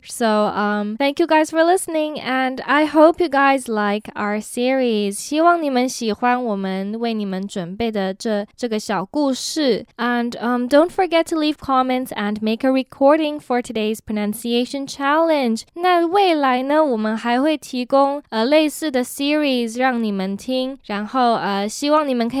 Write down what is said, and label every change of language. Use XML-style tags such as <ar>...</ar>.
<en>So thank you guys for listening, and I hope you guys like our series.</en> <zh>希望你们喜欢我们为你们准备的这个小故事。</zh> <en>And don't forget to leave comments and make a recording for today's pronunciation challenge.</en> <zh>那未来呢，我们还会提供类似的 series 让你们听，然后希望你们可以</zh>